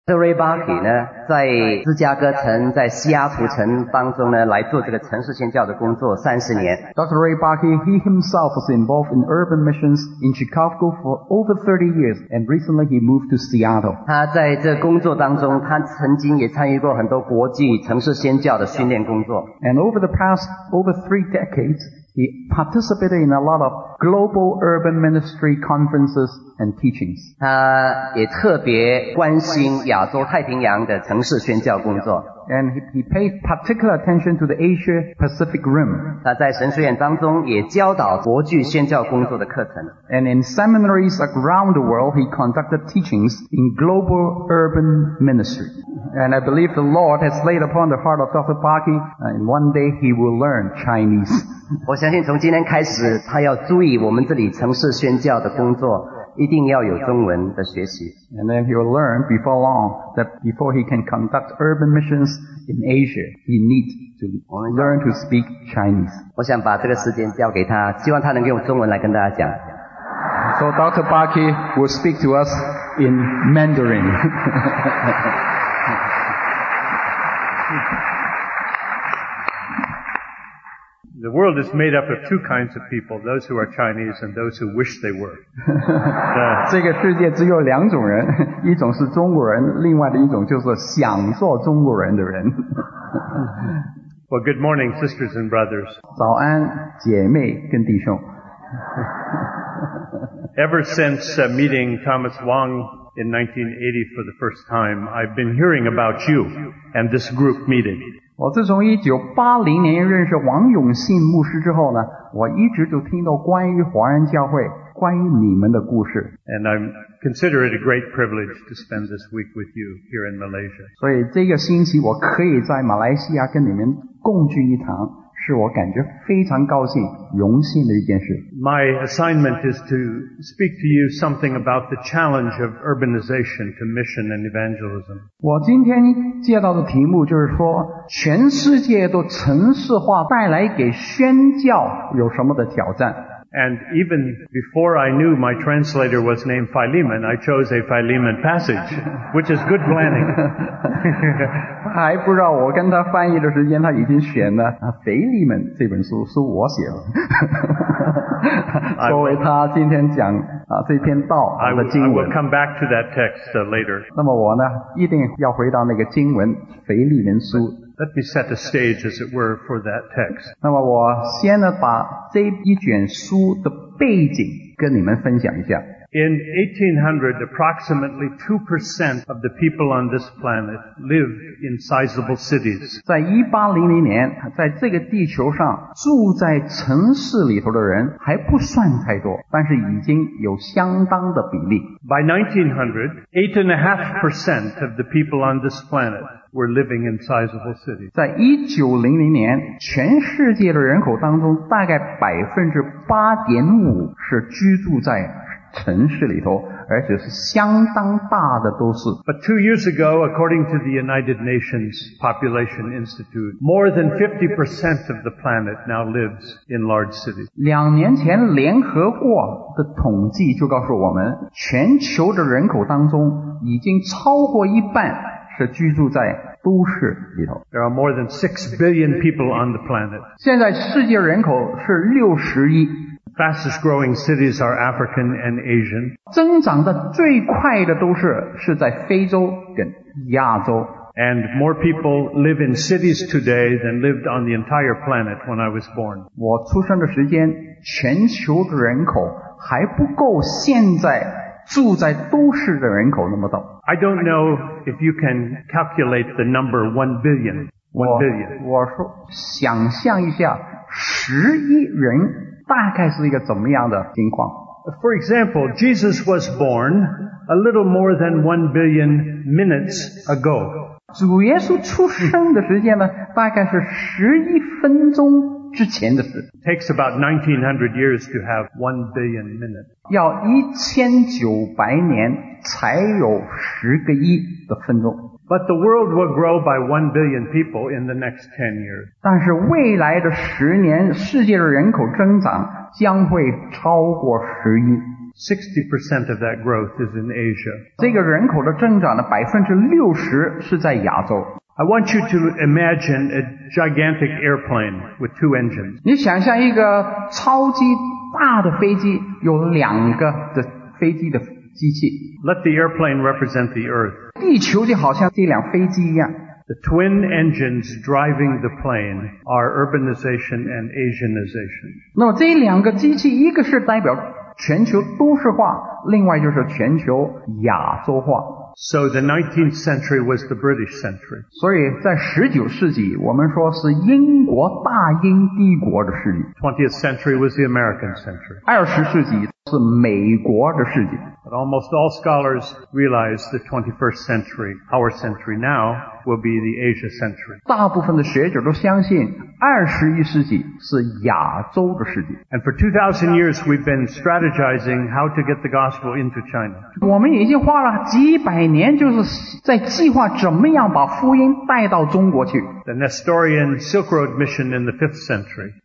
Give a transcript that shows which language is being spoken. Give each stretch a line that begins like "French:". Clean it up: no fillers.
Chinese: 德瑞巴比呢，在芝加哥城，在西雅图城当中呢，来做这个城市宣教的工作30年。
English: Dr. Ray Bakke, he himself was involved in urban missions in Chicago for over 30 years, and recently he moved to Seattle.
Chinese: 他在这工作当中，他曾经也参与过很多国际城市宣教的训练工作。
English: And over the past over three decades,He participated in a lot of global urban ministry conferences and teachings.
Chinese: 他也特别关心亚洲太平洋的城市宣教工作。
English: And he paid particular attention to the Asia Pacific Rim.
Chinese: 他在神学院当中也教导国际宣教工作的课程。
English: And in seminaries around the world, he conducted teachings in global urban ministry. And I believe the Lord has laid upon the heart of Dr. Bakke, and one day he will learn Chinese.
Chinese: 我相信从今天开始，他要注意我们这里城市宣教的工作。一定要有中文的学习。
English: And then he will learn before long that before he can conduct urban missions in Asia, he needs to learn to speak Chinese.
Chinese: 我想把这个时间交给他，希望他能用中文来跟大家讲。
English: So Dr. Bakke will speak to us in Mandarin. The world is made up of two kinds of people, those who are Chinese and those who wish they were.
Chinese: 这个世界只有两种人，一种是中国人，另外的一种就是想做中国人的人。
English: Well, good morning, sisters and brothers.
Chinese: 早安，姐妹跟弟兄。
English: Ever since meeting Thomas Wong in 1980 for the first time, I've been hearing about you and this group meeting.
Chinese: 我自从1980年认识王永信牧师之后呢，我一直都听到关于华人教会，关于你们的故事。
English: And I consider it a great privilege to spend this week with you here in Malaysia.
Chinese: 所以这个星期我可以在马来西亚跟你们共聚一堂，是我感觉非常高兴、荣幸的一件事。
English: My assignment is to speak to you something about the challenge of urbanization to mission and evangelism.
Chinese: 我今天接到的题目就是说，全世界都城市化带来给宣教有什么的挑战。
English: And even before I knew my translator was named Philemon, I chose a Philemon passage, which is good planning.
Chinese: 还不知道我跟他翻译的时间，他已经选了《腓利门》这本书，是我写的。作为他今天讲这篇道的经文。
English: I will come back to that text later.
Chinese: 那么我呢，一定要回到那个经文《腓利门书》。
English: Let me set the stage, as it were, for that text.
Chinese: 那么我先呢把这一卷书的背景跟你们分享一下。
English: In 1800, approximately 2% of the people on this planet lived in sizable cities.
Chinese: 在1800年，在这个地球上住在城市里头的人还不算太多，但是已经有相当的比例。
English: By 1900, 8.5% of the people on this planet were living in sizable cities.
Chinese: 在1900年，全世界的人口当中，大概 8.5% 是居住在城市里头，而且是相当大的都市。
English: But 2 years ago, according to the United Nations Population Institute, more than 50% of the planet now lives in large cities.
Chinese: 两年前联合国的统计就告诉我们，全球的人口当中已经超过一半是居住在都市里头。
English: There are more than 6 billion people on the planet.
Chinese: 现在世界人口是60亿。
English: Fastest growing cities are African and Asian.
Chinese: 增长的最快的都是在非洲跟亚洲。
English: And more people live in cities today than lived on the entire planet when I was born.
Chinese: 我出生的时间，全球的人口还不够现在住在都市的人口那么多。
English: I don't know if you can calculate the number 1 billion.
Chinese: 我说想象一下，十亿人大概是一个怎么样的情况。
English: For example, Jesus was born a little more than 1 billion minutes ago.
Chinese: 主耶稣出生的时间呢，大概是11分钟之前的事。
English: Takes about 1900 years to have 1 billion minutes.
Chinese: 要1900年才有10亿的分钟。
English: But the world will grow by 1 billion people in the next 10 years.
Chinese: 但是未来的10年，世界的人口增长将会超过10亿。
English: 60% of that growth is in Asia.
Chinese: 这个人口的增长的60%是在亚洲。
English: I want you to imagine a gigantic airplane with two engines.
Chinese: 你想象一个超级大的飞机，有两个的飞机的机器。
English: Let the airplane represent the earth.
Chinese: 地球就好像这辆飞机一样。
English: The twin engines driving the plane are urbanization and Asianization.
Chinese: 那这两个机器，一个是代表全球都市化，另外就是全球亚洲化。
English: So the 19th century was the British century.
Chinese: 所以在19世纪，我们说是英国大英帝国的世纪。
English: 20th century was the American century.
Chinese: 20世纪是美国的世纪。
English: But almost all scholars realize the 21st century, our century now, will be the Asia century.
Chinese: 大部分的学者都相信21世纪是亚洲的世纪。
English: And for 2000 years, we've been strategizing how to get the gospel into China.
Chinese: 我们已经花了几百年就是在计划怎么样把福音带到中国去。
English: The Nestorian Silk Road mission in the 5th century.